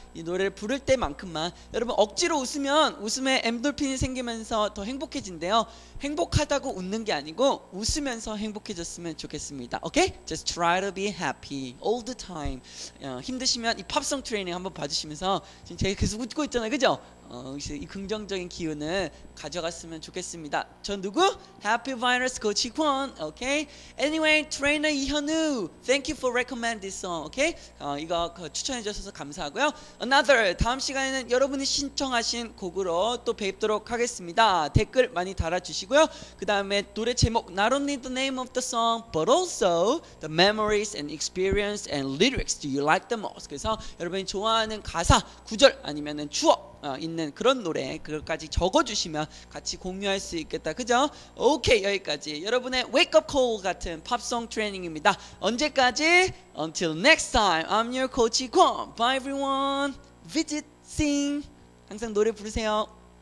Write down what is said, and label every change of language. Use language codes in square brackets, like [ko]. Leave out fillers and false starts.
[ko] 이 노래를 부를 때만큼만 여러분 억지로 웃으면 웃음에 엔돌핀이 생기면서 더 행복해진대요. 행복하다고 웃는 게 아니고 웃으면서 행복해졌으면 좋겠습니다. [en] 오케이? Okay? Just try to be happy all the time. [ko] 힘드시면 이 팝송 트레이닝 한번 봐주시면서 지금 제가 계속 웃고 있잖아요. 그죠? 이 긍정적인 기운을 가져갔으면 좋겠습니다. 전 누구? [en] Happy Virus Coach Kwon. Okay. Anyway, Trainer 이현우, thank you for recommend this song. Okay. [ko] 이거 추천해 주셔서 감사하고요. Another 다음 시간에는 여러분이 신청하신 곡으로 또 뵙도록 하겠습니다. 댓글 많이 달아주시고요. 그 다음에 노래 제목 [en] Not only the name of the song, but also the memories and experience and lyrics. Do you like the most? [ko] 그래서 여러분이 좋아하는 가사, 구절 아니면은 추억. 있는 그런 노래 그것까지 적어주시면 같이 공유할 수 있겠다. 그죠? 오케이 여기까지 여러분의 웨이크업 콜 같은 팝송 트레이닝입니다. 언제까지? [en] Until next time. I'm your coach Kwon. Bye everyone. Visit sing. [ko] 항상 노래 부르세요.